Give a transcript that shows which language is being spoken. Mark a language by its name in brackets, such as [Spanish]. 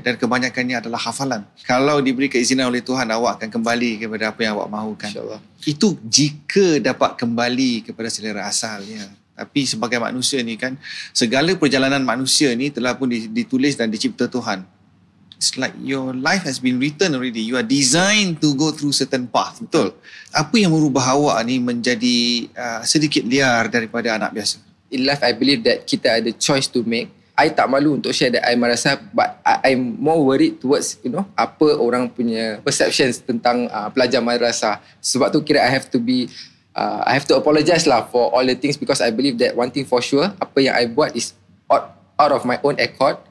[Malay] Dan kebanyakannya adalah hafalan. Kalau diberi keizinan oleh Tuhan, awak akan kembali kepada apa yang awak mahukan. InsyaAllah. Itu jika dapat kembali kepada selera asalnya. Tapi sebagai manusia ni kan, segala perjalanan manusia ni telah pun ditulis dan dicipta Tuhan. [English] It's like your life has been written already. You are designed to go through certain path. [Malay] Betul? Apa yang merubah awak ni menjadi sedikit liar daripada anak biasa? [English] In life, I believe that [Malay] kita ada [English] choice to make. [Malay] I tak malu untuk [English] share that [Malay] I merasa, [English] but I'm more worried towards, [Malay] apa orang punya perceptions tentang pelajar madrasah. Sebab tu kira [English] I have to be, I have to apologize lah for all the things, because I believe that one thing for sure, [Malay] apa yang [English] I [Malay] buat [English] is out of my own accord.